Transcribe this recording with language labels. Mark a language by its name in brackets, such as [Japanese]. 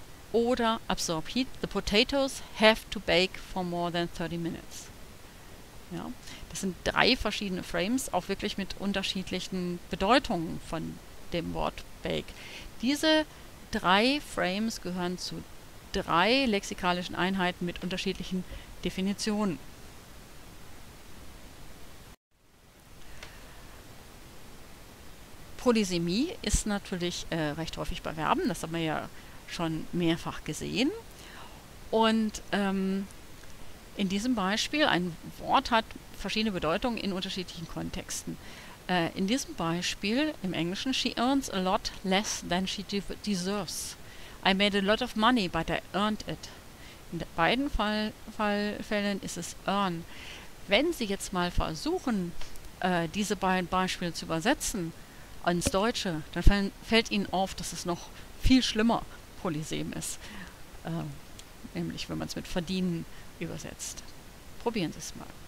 [English] Oder Absorb Heat, the potatoes have to bake for more than 30 minutes. [German] Ja, das sind drei verschiedene Frames, auch wirklich mit unterschiedlichen Bedeutungen von dem Wort Bake. Diese drei Frames gehören zu drei lexikalischen Einheiten mit unterschiedlichen Definitionen. Polysemie ist natürlich recht häufig bei Verben, das haben wir ja schon mehrfach gesehen. Und in diesem Beispiel, ein Wort hat verschiedene Bedeutungen in unterschiedlichen Kontexten. In diesem Beispiel, im Englischen, [English] she earns a lot less than she deserves. I made a lot of money, but I earned it. [German] In beiden Fällen ist es earn. Wenn Sie jetzt mal versuchen, diese beiden Beispiele zu übersetzen ins Deutsche, dann fällt Ihnen auf, dass es noch viel schlimmer Polysem ist. Nämlich, wenn man es mit verdienen übersetzt. Probieren Sie es mal.